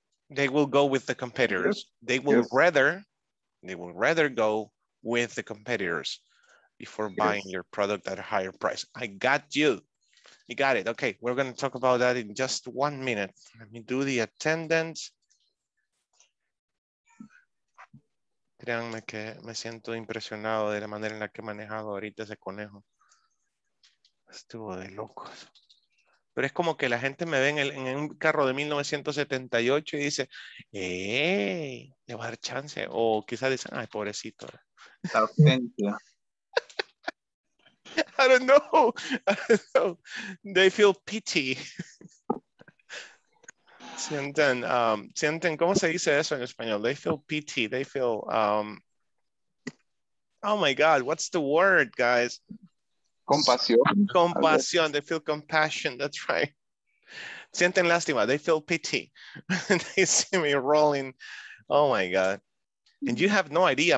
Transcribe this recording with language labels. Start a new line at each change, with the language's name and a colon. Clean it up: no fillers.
English: They will go with the competitors. Yes. They will rather go with the competitors before buying your product at a higher price. I got you. You got it. Okay, we're going to talk about that in just 1 minute. Let me do the attendance.
Spanish: Créanme que me siento impresionado de la manera en la que he manejado ahorita ese conejo. Estuvo de locos. Pero es como que la gente me ve en un carro de 1978 y dice, ¡eh! Le va a dar chance. O quizás dicen, ¡ay, pobrecito! La ausencia.
English: I don't know. They feel pity.
Spanish: Sienten, sienten, ¿cómo se dice eso en español?
English: They feel pity. They feel, oh my God, what's the word, guys?
Spanish: Compasión. Compasión.
English: They feel compassion. That's right.
Spanish: Sienten lástima.
English: They feel pity. They see me rolling. Oh my God. And you have no idea.